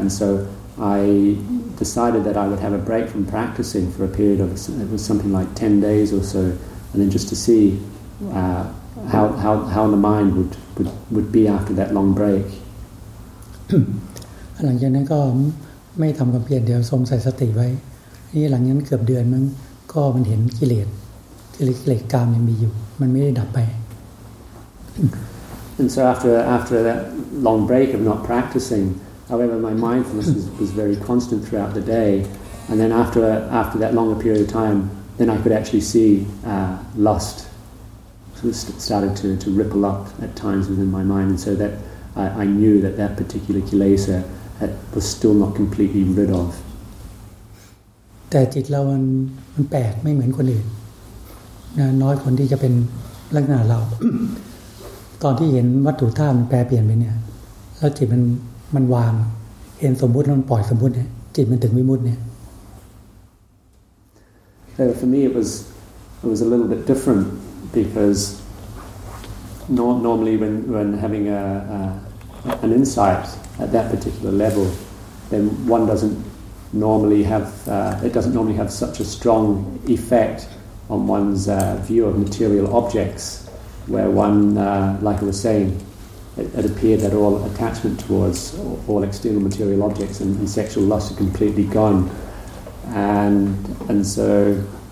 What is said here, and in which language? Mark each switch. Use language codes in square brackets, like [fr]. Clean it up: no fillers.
[en] And so I decided that I would have a break from practicing for a period of, it was something like 10 days or so, and then just to see how the mind would be after that long break. [th] หลังจากนั้นก็ไม่ทำความเพียรเดี๋ยวสมใส่สติไว้นี่หลังนั้นเกือบเดือนมึงก็มันเห็นกิเลสกามยังมีอยู่มันไม่ได้ดับไป [en] And so after that long break of not practicing, however, my mindfulness was very constant throughout the day, and then after that longer period of time, then I could actually see lust started to ripple up at times within my mind, and so that I knew that particular kilesa was still not completely rid of. [th] แต่จิตเรามันแปลกไม่เหมือนคนอื่นนะน้อยคนที่จะเป็นลักษณะเราตอนที่เห็นวัตถุธาตุมันแปรเปลี่ยนไปเนี่ยแล้วจิตมันวางเห็นสมมุติมันปล่อยสมมุติเนี่ยจิตมันถึงวิมุตติเนี่ย [en] For me it was a little bit different because normally when having an insight at that particular level then one doesn't normally have it doesn't normally have such a strong effect on one's view of material objectsWhere one, like I was saying, it appeared that all attachment towards all external material objects and sexual lust are completely gone, and so